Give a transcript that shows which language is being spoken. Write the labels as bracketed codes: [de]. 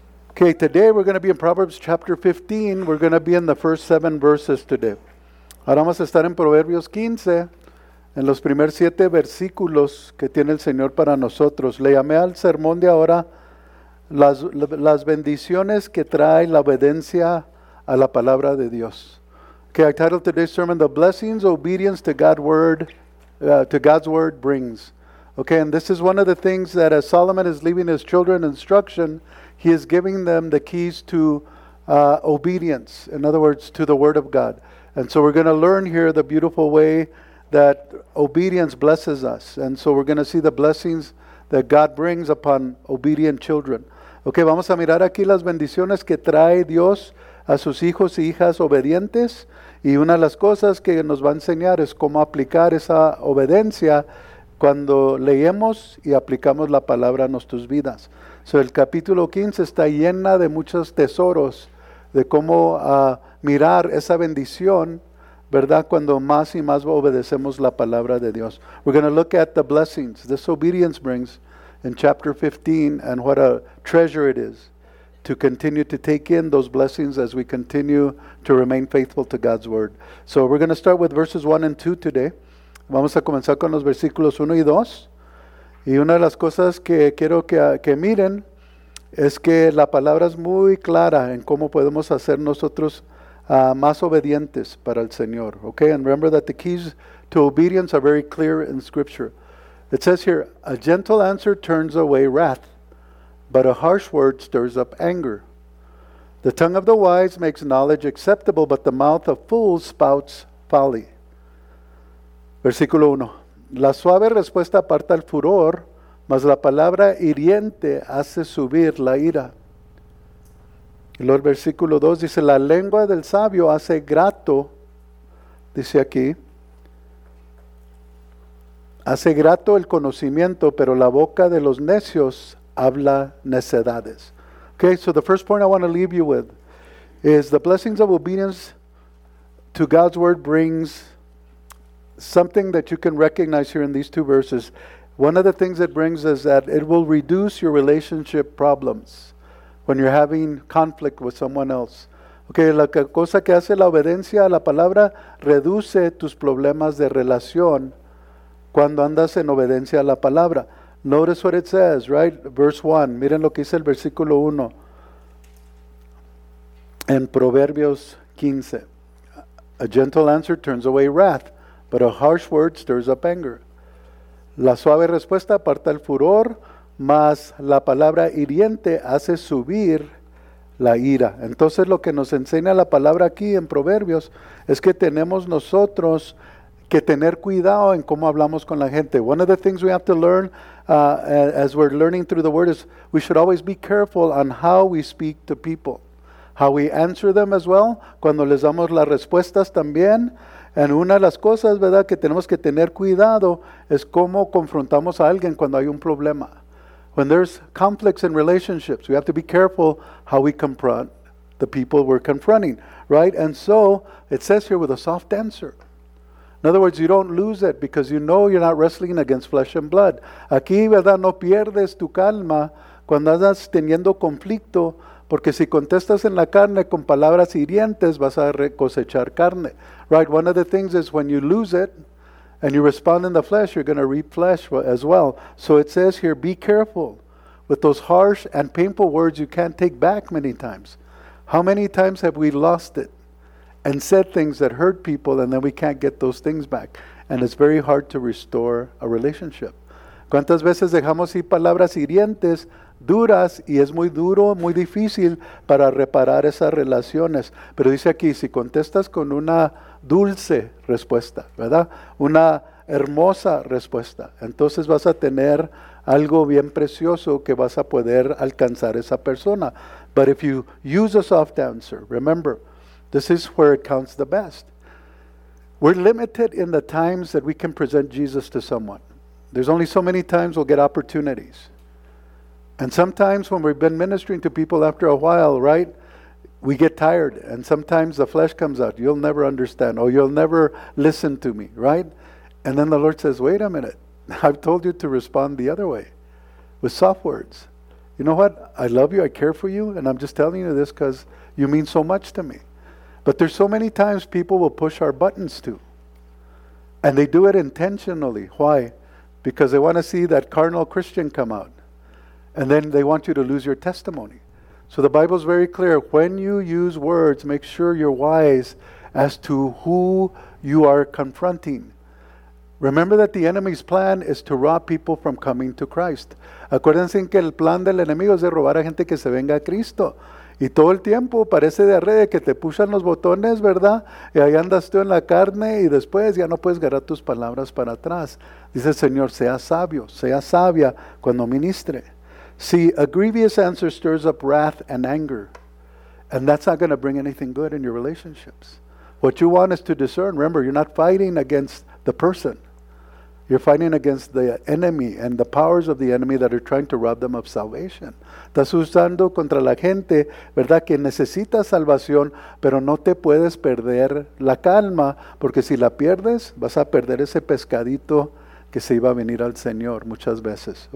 [en] Okay, today we're going to be in Proverbs chapter 15. We're going to be in the first 7 verses today. [es] Ahora vamos a estar en Proverbios 15, en los primeros 7 versículos que tiene el Señor para nosotros. Le llamé al sermón de ahora las bendiciones que trae la obediencia a la palabra de Dios. [en] Okay, I titled today's sermon, The Blessings Obedience to God's Word Brings. Okay, and this is one of the things that as Solomon is leaving his children instruction, he is giving them the keys to obedience, in other words, to the Word of God. And so we're going to learn here the beautiful way that obedience blesses us. And so we're going to see the blessings that God brings upon obedient children. [es] Okay, vamos a mirar aquí las bendiciones que trae Dios a sus hijos y hijas obedientes. Y una de las cosas que nos va a enseñar es cómo aplicar esa obediencia cuando leemos y aplicamos la palabra a nuestras vidas. So el capítulo 15 está llena de muchos tesoros de cómo mirar esa bendición, ¿verdad? Cuando más y más obedecemos la palabra de Dios. [en] We're going to look at the blessings this obedience brings in chapter 15 and what a treasure it is to continue to take in those blessings as we continue to remain faithful to God's word. So we're going to start with verses 1 and 2 today. [es] Vamos a comenzar con los versículos 1 y 2. Y una de las cosas que quiero que miren es que la palabra es muy clara en cómo podemos hacer nosotros más obedientes para el Señor. [en] Okay, and remember that the keys to obedience are very clear in Scripture. It says here, a gentle answer turns away wrath, but a harsh word stirs up anger. The tongue of the wise makes knowledge acceptable, but the mouth of fools spouts folly. [es] Versículo 1. La suave respuesta aparta el furor, mas la palabra hiriente hace subir la ira. Y luego el versículo 2 dice, la lengua del sabio hace grato, dice aquí, hace grato el conocimiento, pero la boca de los necios habla necedades. [en] Okay, so the first point I want to leave you with is the blessings of obedience to God's word brings something that you can recognize here in these two verses. One of the things it brings is that it will reduce your relationship problems when you're having conflict with someone else. [es] Okay, la cosa que hace la obediencia a la palabra reduce tus problemas de relación cuando andas en obediencia a la palabra. [en] Notice what it says, right? Verse 1. [es] Miren lo que dice el versículo 1 en Proverbios 15. [en] A gentle answer turns away wrath, but a harsh word stirs up anger. [es] La suave respuesta aparta el furor, mas la palabra hiriente hace subir la ira. Entonces lo que nos enseña la palabra aquí en Proverbios es que tenemos nosotros que tener cuidado en cómo hablamos con la gente. [en] One of the things we have to learn as we're learning through the word is we should always be careful on how we speak to people. How we answer them as well, [es] cuando les damos las respuestas también. And una de las cosas, ¿verdad?, que tenemos que tener cuidado es cómo confrontamos a alguien cuando hay un problema. [en] When there's conflicts in relationships, we have to be careful how we confront the people we're confronting, right? And so, it says here with a soft answer. In other words, you don't lose it because you know you're not wrestling against flesh and blood. Aquí, ¿verdad?, no pierdes tu calma cuando andas teniendo conflicto. Porque si contestas en la carne con palabras hirientes, vas a cosechar carne. Right, one of the things is when you lose it and you respond in the flesh, you're going to reap flesh as well. So it says here, be careful with those harsh and painful words you can't take back many times. How many times have we lost it and said things that hurt people and then we can't get those things back? And it's very hard to restore a relationship. [es] ¿Cuántas veces dejamos ir palabras hirientes, duras, y es muy duro, muy difícil para reparar esas relaciones? Pero dice aquí, si contestas con una dulce respuesta, ¿verdad? Una hermosa respuesta, entonces vas a tener algo bien precioso que vas a poder alcanzar esa persona. [en] But if you use a soft answer, remember, this is where it counts the best. We're limited in the times that we can present Jesus to someone. There's only so many times we'll get opportunities. And sometimes when we've been ministering to people after a while, right, we get tired. And sometimes the flesh comes out. You'll never understand. Or you'll never listen to me, right? And then the Lord says, wait a minute. I've told you to respond the other way, with soft words. you know what? I love you, I care for you, and I'm just telling you this because you mean so much to me. But there's so many times people will push our buttons too. And they do it intentionally. Why? Because they want to see that carnal Christian come out. And then they want you to lose your testimony. So the Bible's very clear. When you use words, make sure you're wise as to who you are confronting. Remember that the enemy's plan is to rob people from coming to Christ. [es] Acuérdense que el plan del enemigo es de robar a gente que se venga a Cristo. Y todo el tiempo parece de arrede que te pusan los botones, ¿verdad? Y ahí andas tú en la carne y después ya no puedes agarrar tus palabras para atrás. Dice el Señor, sea sabio, sea sabia cuando ministre. [en] See, a grievous answer stirs up wrath and anger. And that's not going to bring anything good in your relationships. What you want is to discern. Remember, you're not fighting against the person. You're fighting against the enemy and the powers of the enemy that are trying to rob them of salvation. [es] Estás usando contra la gente, ¿verdad? Que necesita salvación, pero no te puedes perder la calma, porque si la pierdes, vas a perder ese pescadito que se iba a venir al Señor muchas veces.